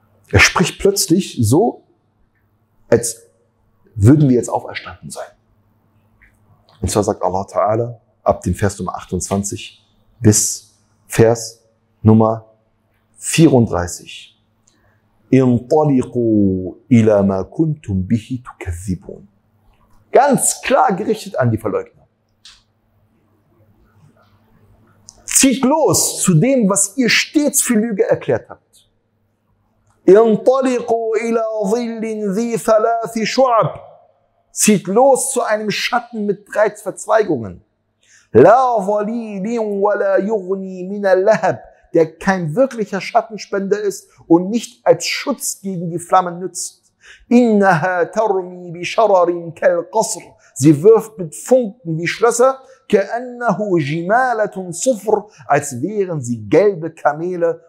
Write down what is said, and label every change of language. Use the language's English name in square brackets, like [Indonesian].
[German] Er spricht plötzlich so, als würden wir jetzt auferstanden sein. Und zwar sagt Allah Ta'ala ab dem Vers Nummer 28 bis Vers Nummer 34. [Arabic] انطلقوا إلى ما كنتم به تكذبون. [German] Ganz klar gerichtet an die Verleugner. Zieht los zu dem, was ihr stets für Lüge erklärt habt. [Arabic] انطلقوا إلى ظل ذي ثلاث شعب. [German] Zieht los zu einem Schatten mit drei Verzweigungen. [Arabic] لا ظليل ولا يغني من اللهب. [German] Der kein wirklicher Schattenspender ist und nicht als Schutz gegen die Flammen nützt. [Arabic] إنها ترمي بشرر كالقصر. [German] Sie wirft mit Funken wie Schlösser. [Arabic] كأنه جمالة صفر. [German] Als wären sie gelbe Kamele.